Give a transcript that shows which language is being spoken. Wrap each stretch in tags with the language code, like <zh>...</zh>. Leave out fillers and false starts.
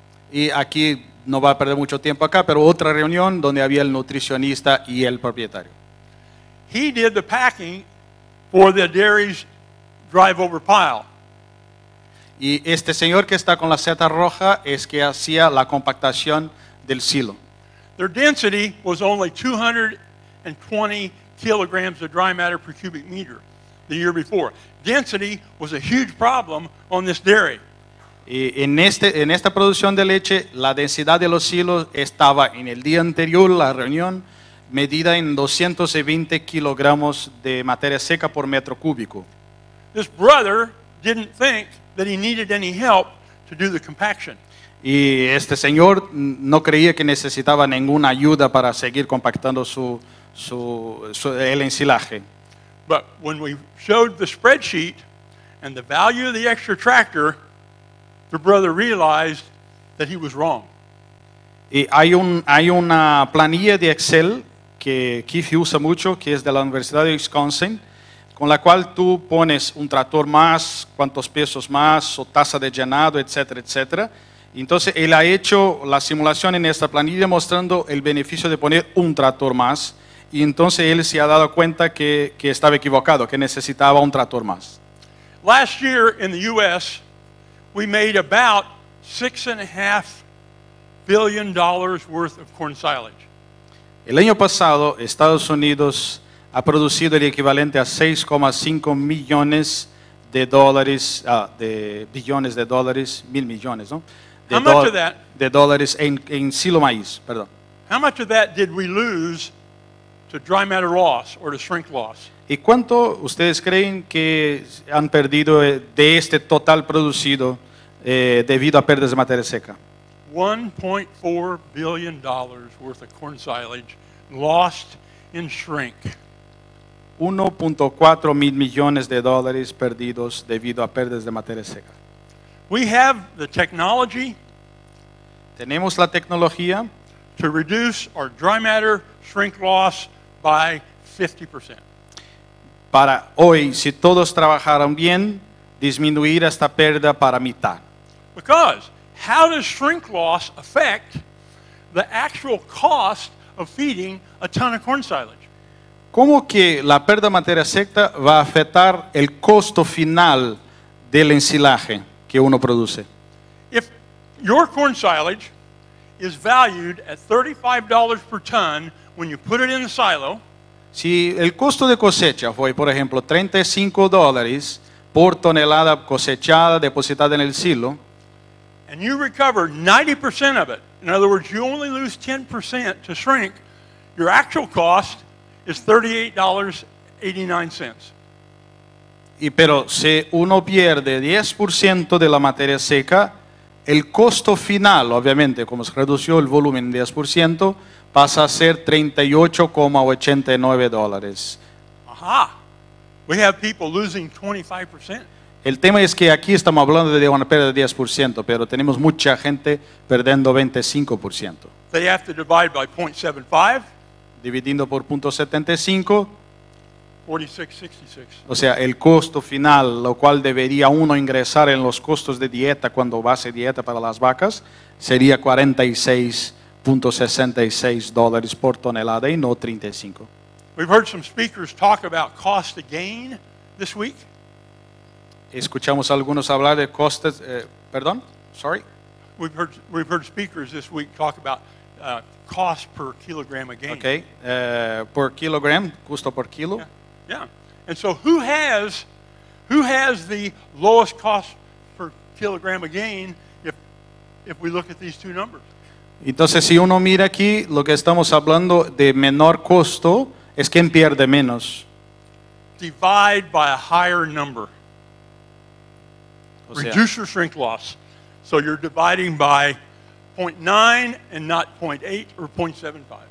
<es>Y aquí no va a perder mucho tiempo acá, pero otra reunión donde había el nutricionista y el propietario.</es> <en>He did the packing for the dairy's drive-over pile.</en> <es>Y este señor que está con la seta roja es que hacía la compactación del silo.</es> <en>Their density was only 220 kilograms of dry matter per cubic meter the year before. Density was a huge problem on this dairy.</en> <es>Y en esta producción de leche, la densidad de los silos estaba en el día anterior, la reunión, medida en 220 kilogramos de materia seca por metro cúbico.</es> <en>This brother didn't think that he needed any help to do the compaction.</en> <es>Y este señor no creía que necesitaba ninguna ayuda para seguir compactando el ensilaje.</es> <en>But when we showed the spreadsheet and the value of the extra tractor, the brother realized that he was wrong.</en> <es>Y hay una planilla de Excel que Keith usa mucho, que es de la Universidad de Wisconsin, con la cual tú pones un tractor más, cuántos pesos más, o tasa de llenado, etcétera, etcétera. Entonces, él ha hecho la simulación en esta planilla mostrando el beneficio de poner un tractor más. Y entonces, él se ha dado cuenta que estaba equivocado, que necesitaba un tractor más.</es> <en>Last year in the U.S., we made about $6.5 billion worth of corn silage.</en> <es>El año pasado, Estados Unidos ha producido el equivalente a 6,5 millones de dólares, de billones de dólares, mil millones, ¿no?</es> <en>How much of that?</en> <es>De dólares en silo maíz, perdón.</es> <en>How much of that did we lose to dry matter loss or to shrink loss?</en> <es>¿Y cuánto ustedes creen que han perdido de este total producido debido a pérdidas de materia seca?</es> <en>$1.4 billion worth of corn silage lost in shrink.</en> <es>1.4 mil millones de dólares perdidos debido a pérdidas de materia seca.</es> <en>We have the technology.</en> <es>Tenemos la tecnología</es> <en>to reduce our dry matter shrink loss by 50%.</en> <es>Para hoy, si todos trabajaran bien, disminuir esta pérdida para mitad.</es> <en>Because how does shrink loss affect the actual cost of feeding a ton of corn silage?</en> <es>¿Cómo que la pérdida de materia seca va a afectar el costo final del ensilaje que uno produce?</es> <en>If your corn silage is valued at $35 per ton when you put it in the silo.</en> <es>Si el costo de cosecha fue, por ejemplo, $35 por tonelada cosechada depositada en el silo,</es> <en>and you recover 90% of it, in other words, you only lose 10% to shrink, your actual cost is $38.89.</en> <es>Y pero si uno pierde 10% de la materia seca, el costo final, obviamente, como se redució el volumen 10%, pasa a ser $38.89.</es> <en>Ajá. We have people losing 25%.</en> <es>El tema es que aquí estamos hablando de una pérdida de 10%, pero tenemos mucha gente perdiendo 25%.</es> <en>They have to divide by 0.75.</en> <es>Dividiendo por 0.75.</es> <en>46.66.</en> <es>O sea, el costo final, lo cual debería uno ingresar en los costos de dieta cuando va a hacer dieta para las vacas, sería $46.66 por tonelada y no 35.</es> <en>We've heard some speakers talk about cost of gain this week.</en> <es>Escuchamos algunos hablar de costes, perdón, sorry.</es> <en>We've heard speakers this week talk about cost per kilogram of gain.</en> <es>Okay,</es> <en>per kilogram,</en> <es>costo por kilo.</es> <en>Yeah. And so who has the lowest cost per kilogram of gain if we look at these two numbers?</en> <es>Entonces, si uno mira aquí, lo que estamos hablando de menor costo es quien pierde menos.</es> <en>Divide by a higher number.</en> <es>O sea,</es> <en>reduce your shrink loss. So you're dividing by 0.9 and not 0.8 or 0.75.</en>